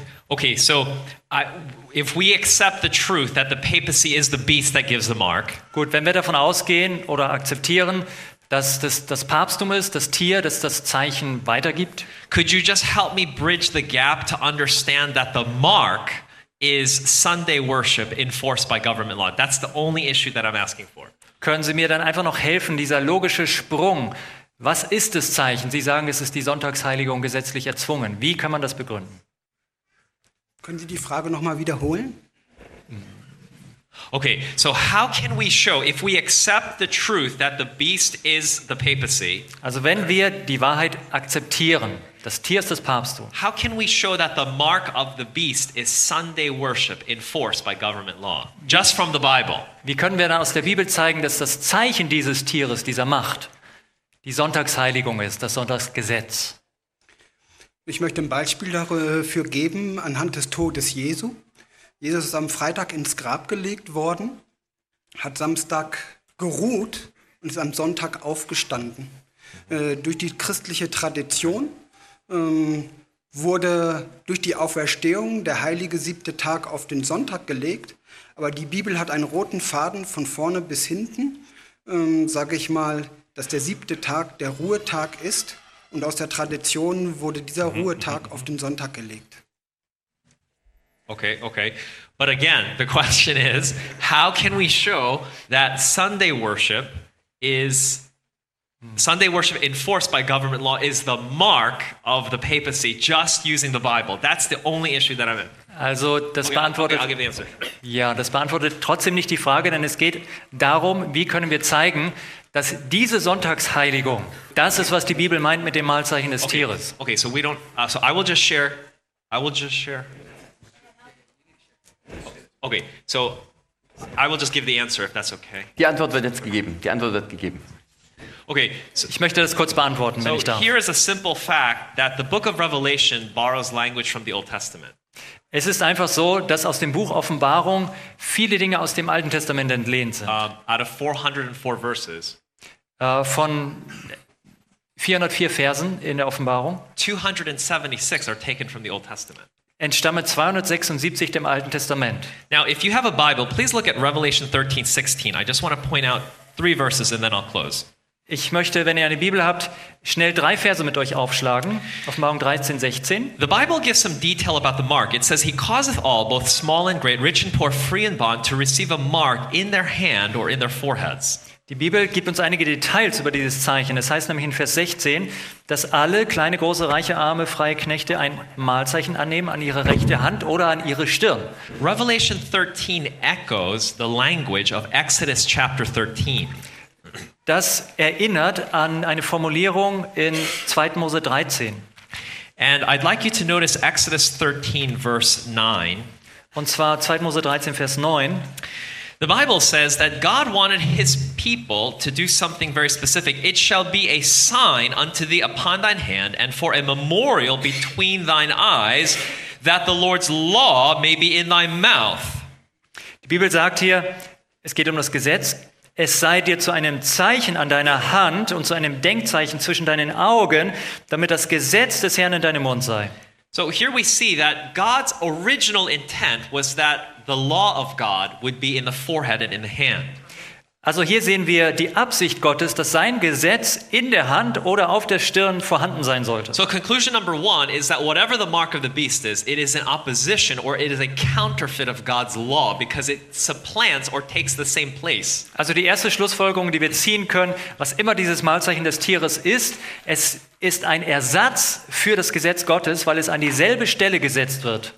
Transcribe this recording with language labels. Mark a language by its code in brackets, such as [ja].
[en] Okay, so if we accept the truth that the papacy is the beast that gives the mark. [de] Gut, wenn wir davon ausgehen oder akzeptieren, dass das Papsttum ist, das Tier, das das Zeichen weitergibt. [en] Could you just help me bridge the gap to understand that the mark is Sunday worship enforced by government law? That's the only issue that I'm asking for. [de] Können Sie mir dann einfach noch helfen, dieser logische Sprung? Was ist das Zeichen? Sie sagen, es ist die Sonntagsheiligung gesetzlich erzwungen. Wie kann man das begründen? Können Sie die Frage noch mal wiederholen? [en] Okay, so how can we show, if we accept the truth that the beast is the papacy? [de] Also wenn wir die Wahrheit akzeptieren, das Tier ist das Papsttum. [en] How can we show that the mark of the beast is Sunday worship enforced by government law? Just from the Bible. [de] Wie können wir dann aus der Bibel zeigen, dass das Zeichen dieses Tieres, dieser Macht, die Sonntagsheiligung ist, das Sonntagsgesetz? Ich möchte ein Beispiel dafür geben, anhand des Todes Jesu. Jesus ist am Freitag ins Grab gelegt worden, hat Samstag geruht und ist am Sonntag aufgestanden. Durch die christliche Tradition wurde durch die Auferstehung der heilige siebte Tag auf den Sonntag gelegt. Aber die Bibel hat einen roten Faden von vorne bis hinten, sage ich mal, dass der siebte Tag der Ruhetag ist. Und aus der Tradition wurde dieser Ruhetag auf den Sonntag gelegt. Okay. [en] But again, the question is, how can we show that Sunday worship is Sunday worship enforced by government law is the mark of the papacy just using the Bible. That's the only issue that I'm in. [de] Also, das beantwortet, [en] okay, I'll give the answer. [de] Ja, das beantwortet trotzdem nicht die Frage, denn es geht darum, wie können wir zeigen, dass diese Sonntagsheiligung, das ist, was die Bibel meint mit dem Mahlzeichen des Tieres. [en] Okay, so we don't, so I will just share, Okay, so I will just give the answer, if that's okay. [de] Die Antwort wird jetzt gegeben, die Antwort wird gegeben. Okay, so, ich möchte das kurz beantworten, wenn so ich darf. [en] Here is a simple fact that the book of Revelation borrows language from the Old Testament. [de] Es ist einfach so, dass aus dem Buch Offenbarung viele Dinge aus dem Alten Testament entlehnt sind. [en] Out of 404 verses. [de] Von 404 Versen in der Offenbarung. [en] 276 are taken from the Old Testament. [de] Entstammen 276 dem Alten Testament. [en] Now, if you have a Bible, please look at Revelation 13:16. I just want to point out three verses and then I'll close. [de] Ich möchte, wenn ihr eine Bibel habt, schnell drei Verse mit euch aufschlagen. Offenbarung 13, 16. [en] The Bible gives some detail about the mark. It says, he causeth all, both small and great, rich and poor, free and bond, to receive a mark in their hand or in their foreheads. [de] Die Bibel gibt uns einige Details über dieses Zeichen. Es heißt nämlich in Vers 16, dass alle, kleine, große, reiche, arme, freie Knechte, ein Mahlzeichen annehmen an ihre rechte Hand oder an ihre Stirn. [en] Revelation 13 echoes the language of Exodus chapter 13. [de] Das erinnert an eine Formulierung in 2. Mose 13. [en] And I'd like you to notice Exodus 13, verse 9. [de] Und zwar 2. Mose 13, Vers 9. [en] The Bible says that God wanted his people to do something very specific. It shall be a sign unto thee upon thine hand and for a memorial between thine eyes, that the Lord's law may be in thy mouth. [de] Die Bibel sagt hier, es geht um das Gesetz. Es sei dir zu einem Zeichen an deiner Hand und zu einem Denkzeichen zwischen deinen Augen, damit das Gesetz des Herrn in deinem Mund sei. [en] So here we see that God's original intent was that the law of God would be in the forehead and in the hand. [de] Also hier sehen wir die Absicht Gottes, dass sein Gesetz in der Hand oder auf der Stirn vorhanden sein sollte. [en] So conclusion number one is that whatever the mark of the beast is, it is an opposition or it is a counterfeit of God's law because it supplants or takes the same place. [de] Also die erste Schlussfolgerung, die wir ziehen können, was immer dieses Mahlzeichen des Tieres ist, es ist ein Ersatz für das Gesetz Gottes, weil es an dieselbe Stelle gesetzt wird.